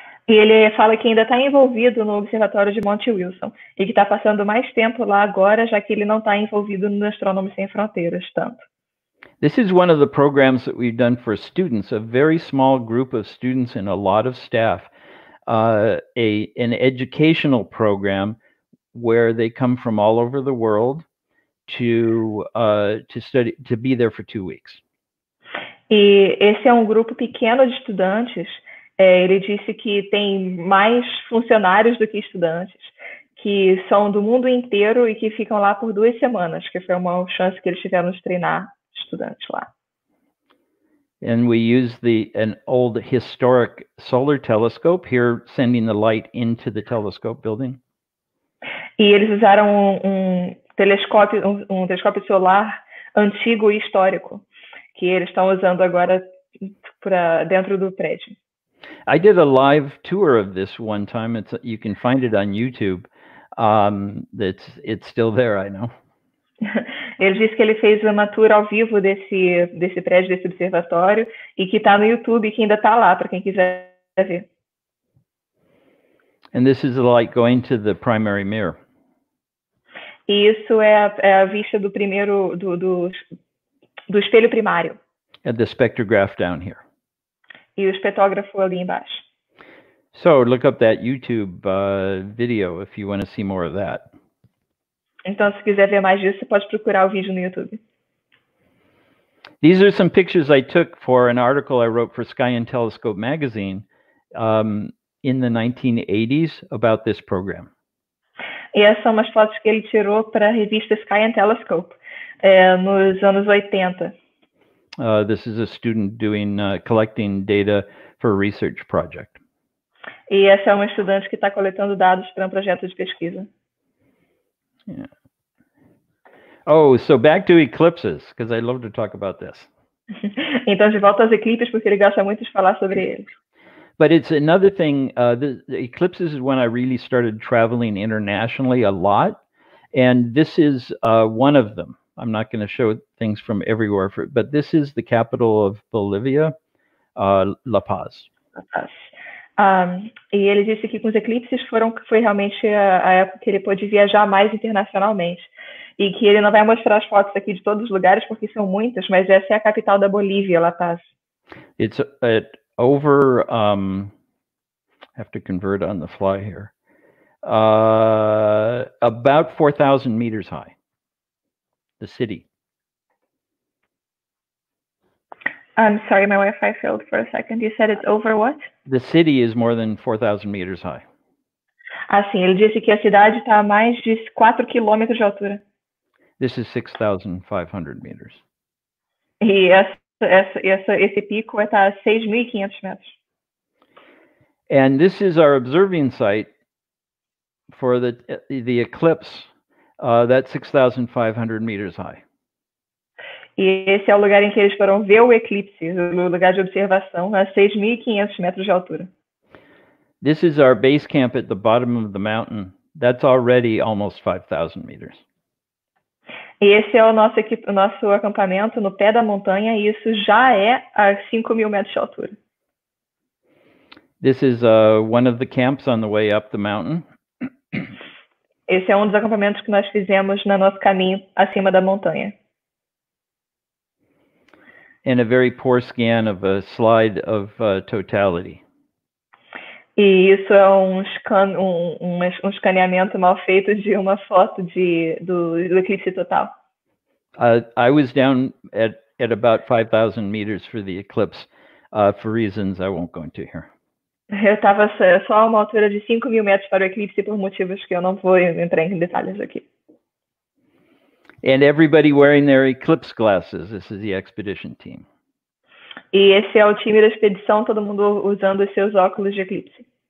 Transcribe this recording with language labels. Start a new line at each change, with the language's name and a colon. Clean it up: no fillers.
Portuguese: E ele fala que ainda está envolvido no Observatório de Mount Wilson e que está passando mais tempo lá agora, já que ele não está envolvido no Astrônomos Sem Fronteiras tanto.
English: This is one of the programs that we've done for students, a very small group of students and a lot of staff, an educational program where they come from all over the world to study, to be there for 2 weeks.
Portuguese: E esse é um grupo pequeno de estudantes. Ele disse que tem mais funcionários do que estudantes, que são do mundo inteiro e que ficam lá por 2 semanas, que foi uma chance que eles tiveram de treinar estudantes lá.
English: And we use an old historic solar telescope here, sending the light into the telescope building.
Portuguese: E eles usaram um telescópio solar antigo e histórico, que eles estão usando agora para dentro do prédio.
English: I did a live tour of this one time. You can find it on YouTube. It's still there, I know.
Portuguese: Ele disse que ele fez uma tour ao vivo desse prédio, desse observatório, e que está no YouTube e que ainda está lá, para quem quiser ver.
English: And this is like going to the primary mirror.
Portuguese: E isso é a vista do primeiro, do espelho primário.
English: At the spectrograph down here.
Portuguese: E o espectrógrafo ali embaixo.
English: So, look up that YouTube video if you want to see more of that.
Portuguese: Então, se quiser ver mais disso, você pode procurar o vídeo no YouTube.
English: These are some pictures I took for an article I wrote for Sky and Telescope magazine in the 1980s about this program.
Portuguese: E essas são umas fotos que ele tirou para a revista Sky and Telescope nos anos 80.
English: This is a student doing collecting data for a research project.
Portuguese: E essa é uma estudante que está coletando dados para um projeto de pesquisa.
English: Yeah. Oh, so back to eclipses, because I love to talk about this.
Portuguese: Então, de volta aos eclipses, porque ele gosta muito de falar sobre eles.
English: But it's another thing. The eclipses is when I really started traveling internationally a lot, and this is one of them. I'm not going to show things from everywhere, but this is the capital of Bolivia, La Paz.
Portuguese: E ele disse que com os eclipses foi realmente a época que ele pôde viajar mais internacionalmente. E que ele não vai mostrar as fotos aqui de todos os lugares, porque são muitas, mas essa é a capital da Bolívia, La Paz.
English: It's at over... have to convert on the fly here. About 4,000 meters high. The city. I'm sorry, my Wi-Fi failed for a second. You said it's over what? The city is more than 4,000 meters high.
Portuguese: Ah, sim. Ele disse que a cidade está a mais de 4 quilômetros de altura.
English: This is 6,500 meters.
Portuguese: E esse pico está a 6,500 metros.
English: And this is our observing site for the eclipse. That's 6,500 meters high.
Portuguese: E esse é o lugar em que eles foram ver o eclipse, o lugar de observação, a 6,500 metros de altura.
English: This is our base camp at the bottom of the mountain. That's already almost 5,000 meters.
Portuguese: E esse é o nosso acampamento no pé da montanha, e isso já é a 5,000 metros de altura.
English: This is one of the camps on the way up the mountain.
Portuguese: Esse é um dos acampamentos que nós fizemos no nosso caminho acima da montanha.
English: And a very poor scan of a slide of totality.
Portuguese: E isso é um escaneamento mal feito de uma foto do eclipse total.
English: I was down at about 5,000 meters for the eclipse for reasons I won't go into here.
Portuguese: Eu estava só a uma altura de 5,000 metros para o eclipse por motivos que eu não vou entrar em detalhes aqui.
English: And everybody wearing their eclipse glasses. This is the expedition team.
Portuguese: E esse é o time da expedição, todo mundo usando os seus óculos de eclipse.